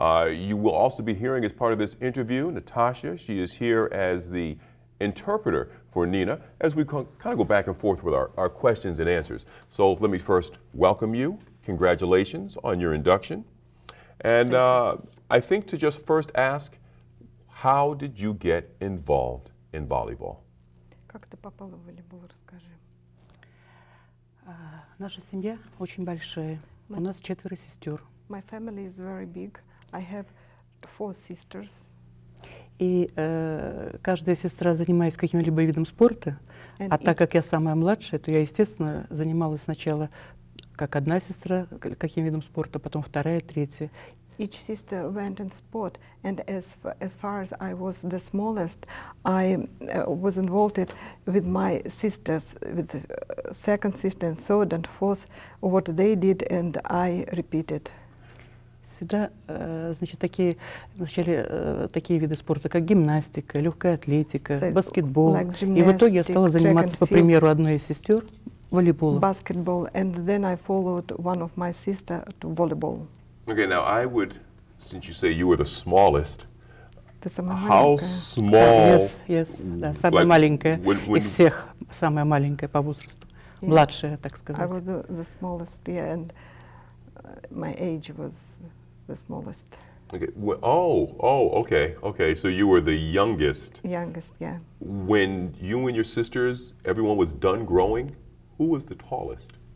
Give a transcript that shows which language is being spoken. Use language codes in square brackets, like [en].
[en] You will also be hearing as part of this interview, Natasha. She is here as the interpreter for Nina as we kind of go back and forth with our questions and answers. So let me first welcome you. Congratulations on your induction. And I think to just first ask, how did you get involved in volleyball? [ru] Как ты попала в волейбол, расскажи. Наша семья очень большая. У нас четверо сестер. [en] My family is very big. I have four sisters. [ru] И каждая сестра занимается каким-либо видом спорта. And а так как я самая младшая, то я, естественно, занималась сначала как одна сестра каким видом спорта, потом вторая, третья. [en] Each sister went in sport, and as far as I was the smallest, I was involved with my sisters, with the second sister and third and fourth, what they did, and I repeated. [ru] Всегда, значит, такие, вначале такие виды спорта, как гимнастика, легкая атлетика, баскетбол. И в итоге я стала заниматься, по примеру одной из сестер, волейболом. [en] Basketball, and then I followed one of my sister to volleyball. Okay, now I would, since you say you were the smallest, the самая how [ru] маленькая. [en] Small? [ru] Yes, да, самая like, маленькая из всех, самая маленькая по возрасту, yeah. Младшая, так сказать. [en] I was the smallest, yeah, and my age was the smallest. Okay. Okay. So you were the youngest. Youngest, yeah. When you and your sisters, everyone was done growing, who was the tallest?